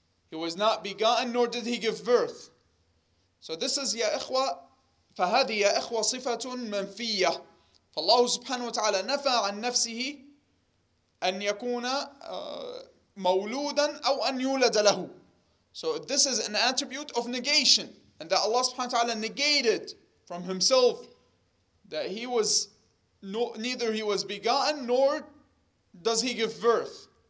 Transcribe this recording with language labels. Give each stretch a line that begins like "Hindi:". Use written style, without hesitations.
English: He was not begotten, nor did he give birth. So this is,
Arabic: يا إخوة, فهذه يا إخوة صفة منفية. فالله سبحانه وتعالى نفى عن نفسه أن يكون مولودا أو أن يولد له.
English: So this is an attribute of negation, and that Allah subhanahu wa ta'ala negated from himself that he was neither he was begotten nor does he give birth.